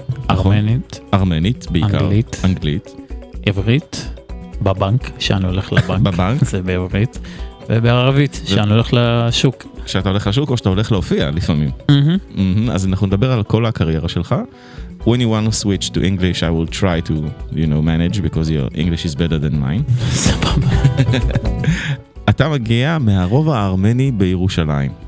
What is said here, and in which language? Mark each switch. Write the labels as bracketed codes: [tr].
[he] ארמנית. ארמנית, בעיקר. אנגלית. אנגלית. עברית, בבנק, שאני הולך לבנק. בבנק. זה בעברית. ובערבית, שאני הולך לשוק. כשאתה הולך לשוק או שאתה הולך להופיע לפעמים. אז אנחנו נדבר על כל הקריירה שלך. [en] When you want to switch to English, I will try to, you know, manage, because your English is better than mine. [he] סבבה. אתה מגיע מהרובע הארמני בירושלים.